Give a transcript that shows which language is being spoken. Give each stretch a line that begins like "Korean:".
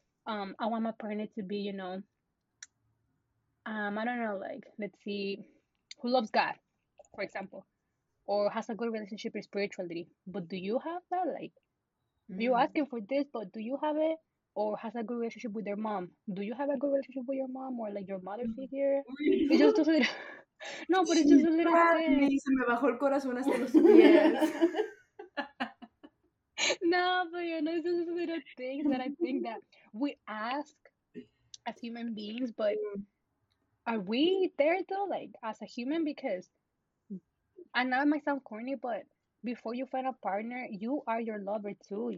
English: I want my partner to be, you know, I don't know, like, let's see, who loves God, for example. Or has a good relationship with spirituality. But do you have that? Like, you're asking for this, but do you have it? or has a good relationship with their mom. Do you have a good relationship with your mom or like your mother figure? It just doesn't. No, but it's just a little thing.
Spanish: Se me bajó el corazón hasta los pies.
English: No, but you know, it's just a little thing that I think that we ask as human beings, but are we there though, like as a human? Because I know it might sound corny, but before you find a partner, you are your lover too.